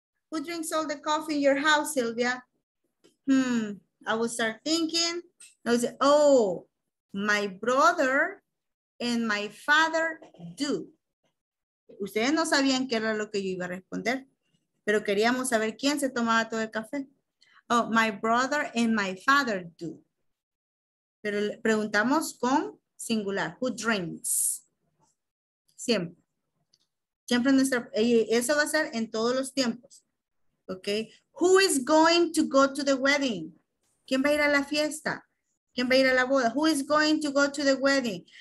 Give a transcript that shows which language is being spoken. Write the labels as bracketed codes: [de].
[en] Who drinks all the coffee in your house, Silvia? I will start thinking. I will say, oh, my brother and my father do. [es] Ustedes no sabían qué era lo que yo iba a responder, pero queríamos saber quién se tomaba todo el café. [en] Oh, my brother and my father do. [es] Pero le preguntamos con singular, [en] who drinks? Siempre. [es] Siempre nuestra, eso va a ser en todos los tiempos. [en] Okay. Who is going to go to the wedding? [es] ¿Quién va a ir a la fiesta? ¿Quién va a ir a la boda? [en] Who is going to go to the wedding?